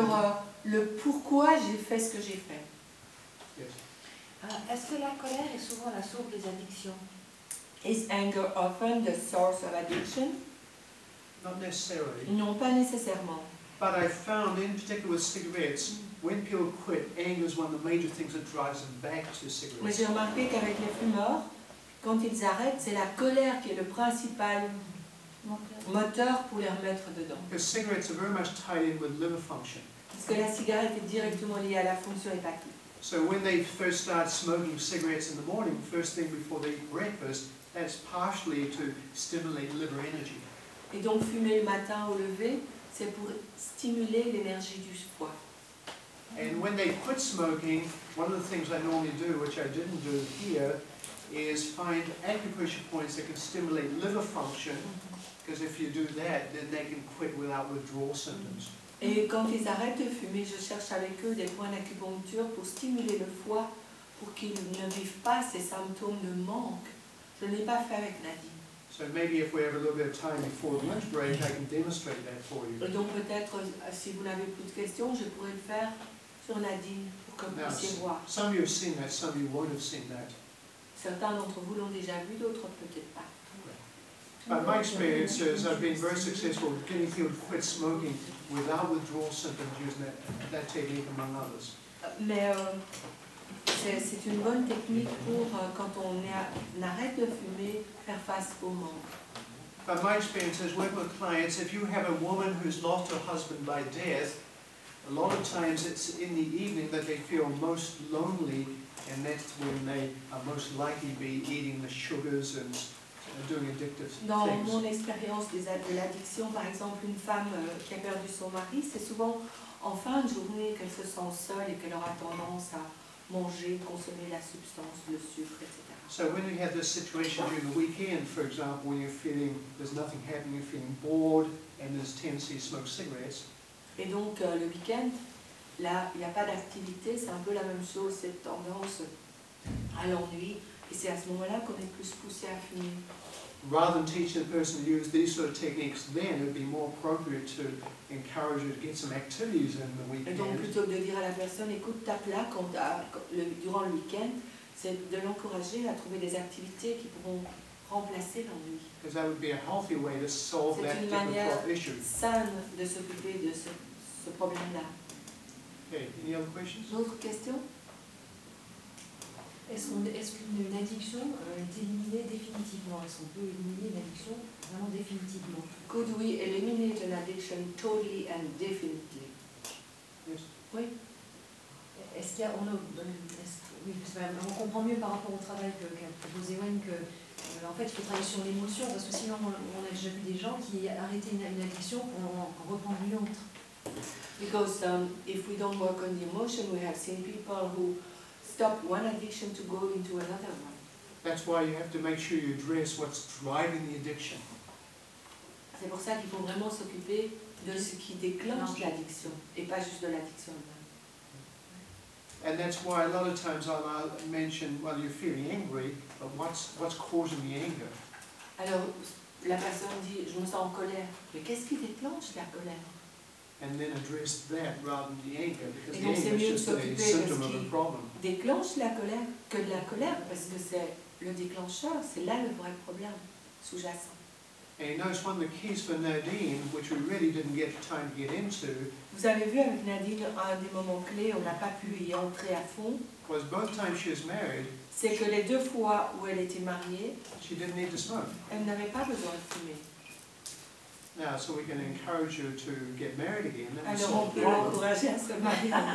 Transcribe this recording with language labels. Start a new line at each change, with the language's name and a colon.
French: Sur le pourquoi j'ai fait ce que j'ai fait.
English: Yes.
French: Est-ce que la colère est souvent la source des addictions?
English: Is anger often the source of addiction? Not necessarily.
French: Non, pas nécessairement.
English: But I found, in particular with cigarettes, when people quit, anger is one of the major things that drives them back to cigarettes.
French: Mais j'ai remarqué qu'avec les fumeurs, quand ils arrêtent, c'est la colère qui est le principal moteur pour les remettre dedans.
English: Because cigarettes are very much tied in with liver function.
French: Parce que la cigarette est directement liée à la fonction hépatique.
English: So when they first start smoking cigarettes in the morning, first thing before they eat breakfast, that's partially to stimulate liver energy.
French: Et donc fumer le matin au lever, c'est pour stimuler l'énergie du foie.
English: And when they quit smoking, one of the things I normally do, which I didn't do here, is find acupressure points that can stimulate liver function, because if you do that, then they can quit without withdrawal symptoms.
French: Et quand ils arrêtent de fumer, je cherche avec eux des points d'acupuncture pour stimuler le foie, pour qu'ils ne vivent pas ces symptômes de manque. Je ne l'ai pas fait avec Nadine.
English: So maybe if we have a little bit of time before the lunch break, I can demonstrate that for you.
French: Donc peut-être si vous n'avez plus de questions, je pourrais le faire sur Nadine pour que vous puissiez voir.
English: Some of you have seen that, some of you won't have seen that.
French: Certains d'entre vous l'ont déjà vu, d'autres peut-être pas.
English: But my experience is I've been very successful getting people to quit smoking without withdrawal symptoms using that technique among others.
French: C'est une bonne technique pour quand on arrête de fumer, faire face au manque.
English: But my experience is working with clients, if you have a woman who's lost her husband by death, a lot of times it's in the evening that they feel most lonely, and that's when they are most likely to be eating the sugars and doing addictive
French: dans
English: things.
French: Dans mon expérience de l'addiction, par exemple, une femme qui a perdu son mari, c'est souvent en fin de journée qu'elle se sent seule et qu'elle aura tendance à manger, consommer la substance, le sucre, etc.
English: So when you have this situation during the weekend, for example, when you're feeling there's nothing happening, you're feeling bored, and there's tendency to smoke cigarettes.
French: Et donc le week-end, là, il n'y a pas d'activité, c'est un peu la même chose, cette tendance à l'ennui, et c'est à ce moment-là qu'on est plus poussé à fumer.
English: Rather than teaching a person to use these sort of techniques, then it would be more appropriate to encourage her to get some activities in the weekend.
French: Et donc plutôt que de dire à la personne, écoute, tape là, durant le week-end, c'est de l'encourager à trouver des activités qui pourront remplacer l'ennui.
English: Because that would be a healthy way to solve that difficult issue.
French: C'est une manière saine de s'occuper de ce problème-là.
English: Okay, any other questions?
French: D'autres questions? Est-ce qu'une addiction est éliminée définitivement? Est-ce qu'on peut éliminer l'addiction vraiment définitivement?
English: Could we eliminate an addiction totally and definitely? Yes.
French: Oui. Est-ce qu'il y a, oui, on comprend mieux par rapport au travail qu'a proposé Wayne que, en fait, il faut travailler sur l'émotion, parce que sinon, on a déjà vu des gens qui arrêtaient une addiction pour en reprendre une autre.
English: Because if we don't work on the emotion, we have seen people who stop one addiction to go into another one. That's why you have to make sure you address what's driving the addiction.
French: C'est pour ça qu'il faut vraiment s'occuper de ce qui déclenche l'addiction et pas juste de l'addiction.
English: And that's why a lot of times I'll mention, well, you're feeling angry, but what's causing the anger?
French: Alors, la personne dit, je me sens en colère. Mais qu'est-ce qui déclenche la colère?
English: And then address that rather than the anger, because
French: donc,
English: the anger is just a symptom of the problem.
French: Déclenche la colère que de la colère, parce que c'est le déclencheur, c'est là le vrai problème sous-jacent.
English: And you notice one of the keys for Nadine, which we really didn't get time to get into.
French: Vous avez vu avec Nadine un des moments clés, on n'a pas pu y entrer à fond.
English: Was both times she was married.
French: C'est que les deux fois où elle était mariée,
English: she didn't need to smoke.
French: Elle n'avait pas besoin de fumer.
English: Now, so we can encourage her to get married again.
French: Alors on peut l'encourager à se marier.